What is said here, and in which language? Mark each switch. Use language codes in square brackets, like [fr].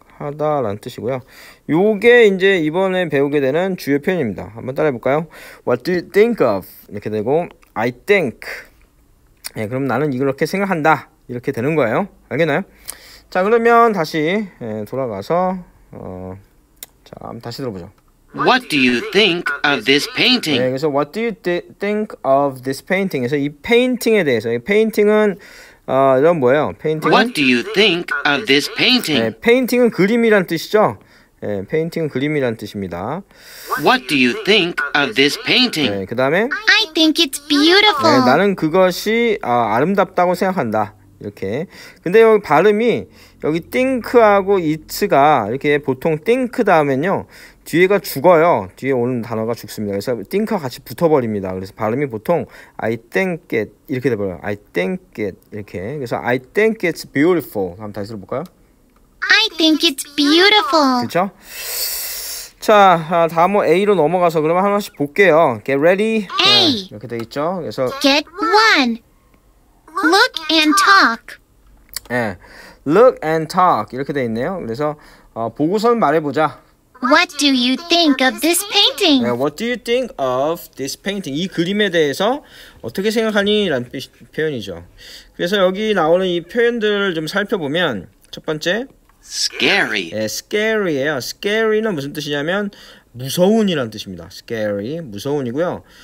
[ko] 하다라는 뜻이고요. 요게 이제 이번에 배우게 되는 주요 표현입니다. 한번 따라해 볼까요? [en] What do you think of? [ko] 이렇게 되고, [en] I think. [ko] 그럼 나는 이렇게 생각한다. 이렇게 되는 거예요. 알겠나요? 자, 그러면 다시 돌아가서 자, 한번 다시 들어보죠. [en] What do you think of this painting? [ko] 그래서 [en] What do you think of this painting? [ko] 그래서 이 페인팅에 대해서, 이 페인팅은 이런 뭐예요? [en] What do you think of this painting? [ko] 페인팅은 그림이란 뜻이죠. 페인팅은 그림이란 뜻입니다. [en] What do you think of this painting? [ko] 그 다음에 [en] I think it's beautiful. [ko] 나는 그것이 아름답다고 생각한다. 이렇게. 근데 여기 발음이 여기 think하고 it가 이렇게 보통 think 다음엔요 뒤에가 죽어요. 뒤에 오는 단어가 죽습니다. 그래서 think와 같이 붙어버립니다. 그래서 발음이 보통 [en] I think it [ko] 이렇게 돼버려요. [en] I think it [ko] 이렇게. 그래서 [en] I think it's beautiful. [ko] 한번 다시 들어볼까요? [en] I think it's beautiful. [ko] 그렇죠? 자, 다음 뭐 A로 넘어가서 그러면 하나씩 볼게요. [en] Get ready. [ko] 네, A. 이렇게 돼 있죠? 그래서 [en] Get one. Look and talk. Look and talk [ko] 이렇게 돼 있네요. 그래서 보고선 말해보자. [en] What do you think of this painting? What do you think of this painting? [ko] 이 그림에 대해서 어떻게 생각하니? 라는 표현이죠. 그래서 여기 나오는 이 표현들을 좀 살펴보면 첫 번째, [en] Scary. [ko] scary예요. scary는 무슨 뜻이냐면 무서운이란 뜻입니다. scary 무서운이고요.